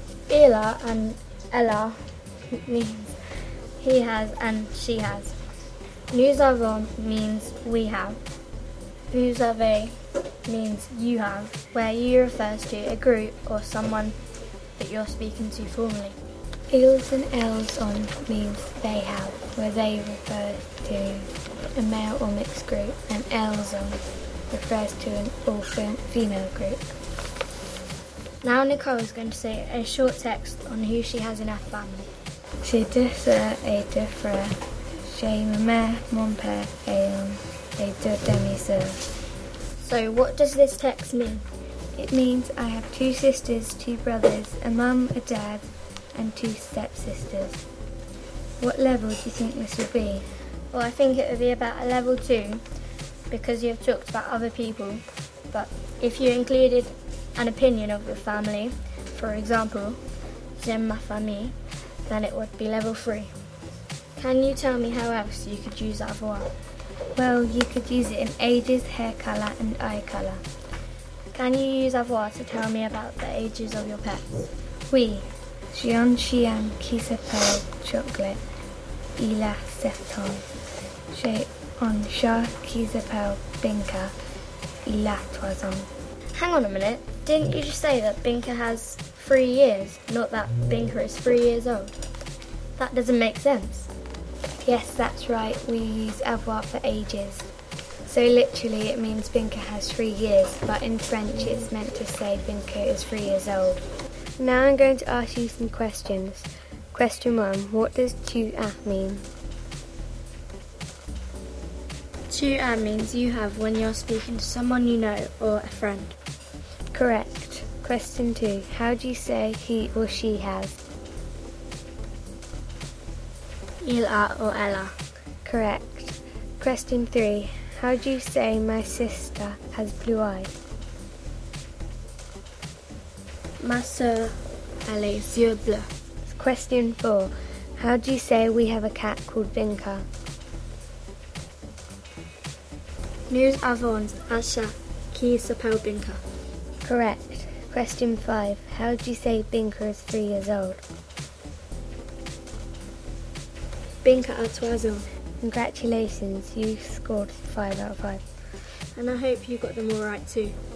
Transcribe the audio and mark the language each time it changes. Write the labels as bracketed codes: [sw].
[en] Il a and elle a means he has and she has. Nous avons means we have. Vous avez means you have, where you refers to a group or someone that you're speaking to formally. Ils and elles on means they have, where they refer to a male or mixed group, and elles on refers to an all-female group. Now Nicole is going to say a short text on who she has in her family. [fr] J'ai deux sœurs et deux frères. J'ai ma mère, mon père et deux demi-sœurs. [en] So what does this text mean? It means I have two sisters, two brothers, a mum, a dad, and two stepsisters. What level do you think this would be? Well, I think it would be about a level two, because you've talked about other people. But if you included an opinion of your family, for example, [fr] j'aime ma famille, [en] then it would be level three. Can you tell me how else you could use avoir? Well, you could use it in ages, hair colour and eye colour. Can you use avoir to tell me about the ages of your pets? [fr] Oui. Jean Chien qui s'appelle Chocolate, il a 7 ans. J'ai un chat qui s'appelle Binka, il a 3 ans. [en] Hang on a minute, didn't you just say that Binka has 3 years, not that Binka is 3 years old? That doesn't make sense. Yes, that's right, we use avoir for ages. So literally it means Binka has 3 years, but in French it's meant to say Binka is 3 years old. Now I'm going to ask you some questions. Question 1, what does tu as mean? Tu as means you have when you're speaking to someone you know or a friend. Correct. Question 2, how do you say he or she has? Il a or elle a. Correct. Question 3, how do you say my sister has blue eyes? [fr] Ma soeur a les yeux bleus. [en] Question 4. How do you say we have a cat called Binka? [fr] Nous avons un chat qui s'appelle Binka. [en] Correct. Question 5. How do you say Binka is 3 years old? [fr] Binka a 3 ans. [en] Congratulations, you scored 5 out of 5. And I hope you got them all right too.